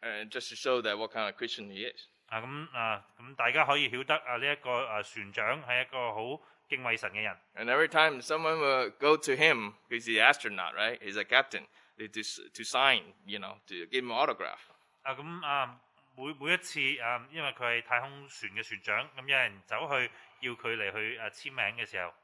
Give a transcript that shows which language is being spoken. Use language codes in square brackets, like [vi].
[en] Just to show that what kind of Christian he is. [yue] 咁大家可以曉得呢一個船長係一個好敬畏神嘅人。 [en] And every time someone will go to him, he's the astronaut, right? He's a captain. To sign, you know, to give him an autograph. [yue] 咁每一次，因為佢係太空船嘅船長，咁有人走去要佢嚟去簽名嘅時候，